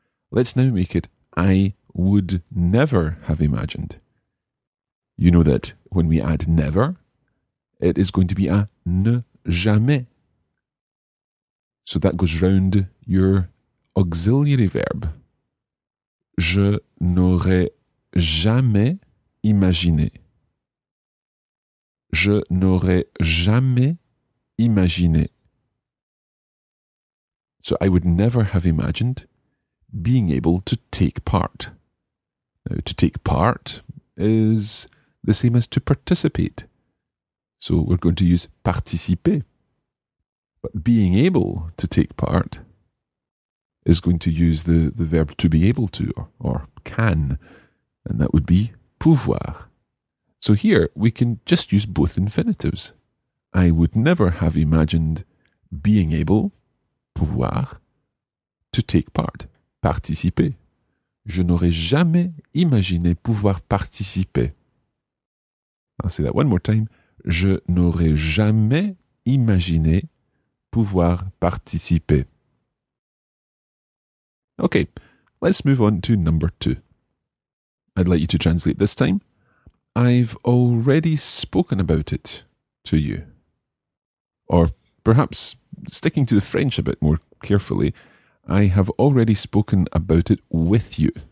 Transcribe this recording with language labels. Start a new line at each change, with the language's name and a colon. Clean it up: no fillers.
English: Let's now make it I would never have imagined. You know that when we add never, it is going to be a
French: ne jamais.
English: So that goes round your auxiliary verb.
French: Je n'aurais jamais imaginé. Je n'aurais jamais imaginé.
English: So I would never have imagined being able to take part. Now, to take part is the same as to participate. So we're going to use participer. But being able to take part is going to use the verb to be able to or can. And that would be pouvoir. So here we can just use both infinitives. I would never have imagined being able pouvoir, to take part, participer.
French: Je n'aurais jamais imaginé pouvoir participer.
English: I'll say that one more time.
French: Je n'aurais jamais imaginé pouvoir participer.
English: Okay, let's move on to number two. I'd like you to translate this time. I've already spoken about it to you. Or perhaps sticking to the French a bit more carefully, I have already spoken about it with you.